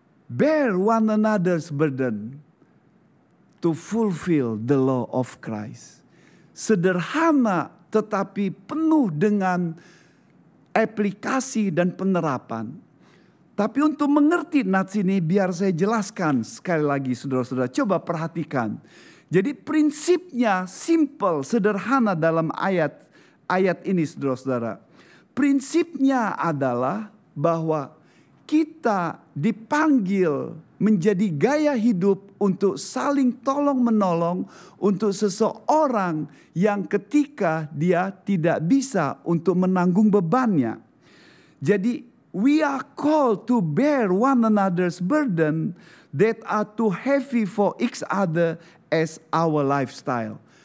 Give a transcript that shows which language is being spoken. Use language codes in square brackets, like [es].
[en] Bear one another's burden to fulfill the law of Christ. [id] Sederhana tetapi penuh dengan aplikasi dan penerapan. Tapi untuk mengerti nats ini biar saya jelaskan sekali lagi saudara-saudara. Coba perhatikan. Jadi prinsipnya simple, sederhana dalam ayat ini saudara-saudara. Prinsipnya adalah bahwa kita dipanggil menjadi gaya hidup untuk saling tolong menolong untuk seseorang yang ketika dia tidak bisa untuk menanggung bebannya. Jadi [en] we are called to bear one another's burden that are too heavy for each other as our lifestyle.